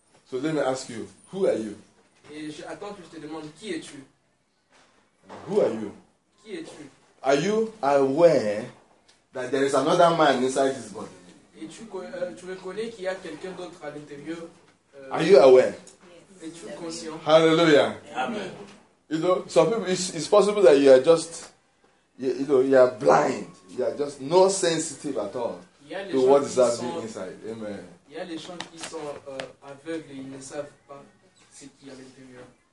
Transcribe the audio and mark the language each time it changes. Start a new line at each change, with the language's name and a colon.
English: So let me ask you, who are you?
French: Et attends que je te demande, qui es-tu?
English: Who are you?
French: Qui es-tu?
English: Are you aware that there is another man inside his body?
French: Et tu reconnais qu'il y a quelqu'un d'autre à l'intérieur?
English: Are you aware?
French: Es-tu conscient?
English: Hallelujah. Amen. You know, some people, it's possible that you are just, you know, you are blind. You are just not sensitive at all to what is happening inside. Amen.
French: Il y a les gens qui sont aveugles et ils ne savent pas ce qu'il y a à l'intérieur.